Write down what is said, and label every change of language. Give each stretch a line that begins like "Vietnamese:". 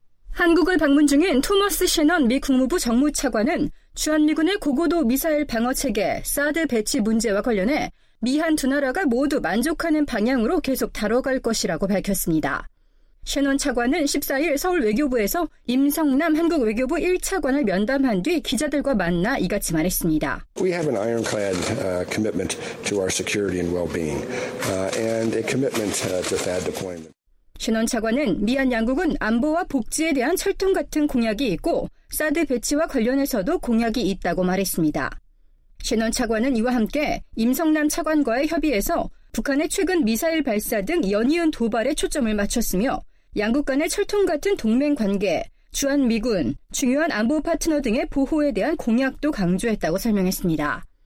Korean: 한국을 방문 중인 토머스 셰넌 미 국무부 정무차관은 주한미군의 고고도 미사일 방어체계 사드 배치 문제와 관련해 미한 두 나라가 모두 만족하는 방향으로 계속 다뤄갈 것이라고 밝혔습니다. 셰넌 차관은 14일 서울 외교부에서 임성남 한국 외교부 1차관을 면담한 뒤 기자들과 만나 이같이 말했습니다.
English: We have an ironclad commitment to our security and well-being and a commitment to THAAD deployment.
Korean: 셰넌 차관은 미한 양국은 안보와 복지에 대한 철통 같은 공약이 있고 사드 배치와 관련해서도 공약이 있다고 말했습니다. 셰넌 차관은 이와 함께 임성남 차관과의 협의에서 북한의 최근 미사일 발사 등 연이은 도발에 초점을 맞췄으며 양국 간의 철통 같은 동맹 관계, 주한미군, 중요한 안보 파트너 등의 보호에 대한 공약도 강조했다고 설명했습니다.